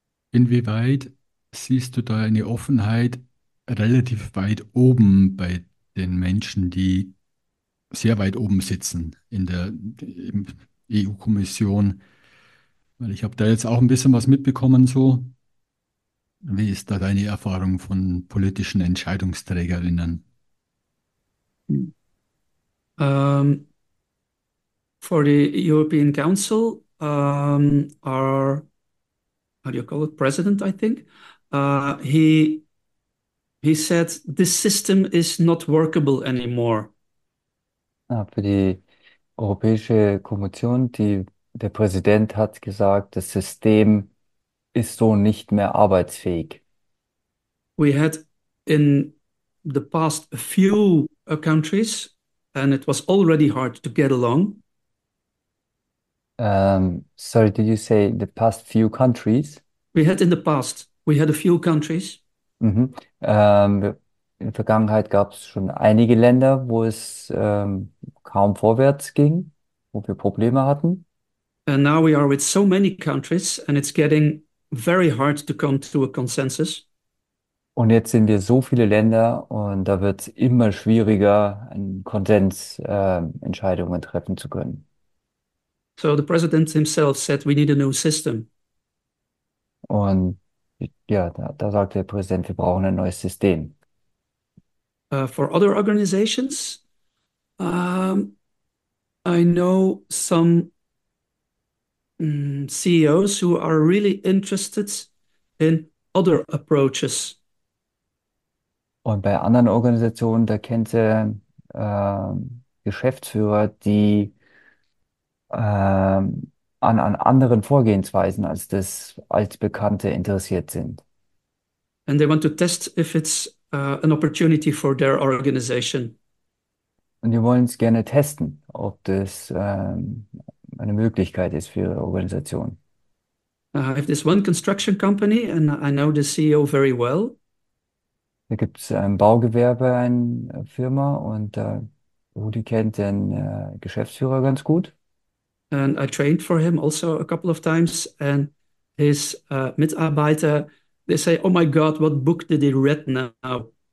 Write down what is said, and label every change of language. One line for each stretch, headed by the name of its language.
German: Inwieweit siehst du da eine Offenheit relativ weit oben bei den Menschen, die sehr weit oben sitzen in der EU-Kommission? Weil ich habe da jetzt auch ein bisschen was mitbekommen, so. Wie ist da deine Erfahrung von politischen Entscheidungsträgerinnen?
English: For the European Council, our, how do you call it, president, I think, he said this system is not workable anymore.
German: Für die Europäische Kommission, der Präsident hat gesagt, das System ist so nicht mehr arbeitsfähig.
English: We had in the past a few countries. And it was already hard to get along. Sorry, did you say in the past few countries? We had a few countries.
German: In der Vergangenheit gab es schon einige Länder, wo es kaum vorwärts ging, wo wir Probleme hatten.
English: And now we are with so many countries, and it's getting very hard to come to a consensus.
German: Und jetzt sind wir so viele Länder, und da wird es immer schwieriger, einen Konsens Entscheidungen treffen zu können.
English: So the president himself said we need a new system.
German: Und ja, da sagt der Präsident, wir brauchen ein neues System.
English: For other organizations, I know some CEOs who are really interested in other approaches.
German: Und bei anderen Organisationen, da kennt ihr Geschäftsführer, die an anderen Vorgehensweisen als das Altbekannte interessiert sind.
English: And they want to test if it's an opportunity for their organization.
German: Und die wollen es gerne testen, ob das eine Möglichkeit ist für ihre Organisation.
English: If this one construction company, and I know the CEO very well.
German: Da gibt es ein Baugewerbe, eine Firma, und Rudi kennt den Geschäftsführer ganz gut.
English: And I trained for him also a couple of times, and his Mitarbeiter. They say, "Oh my God, what book did he read now?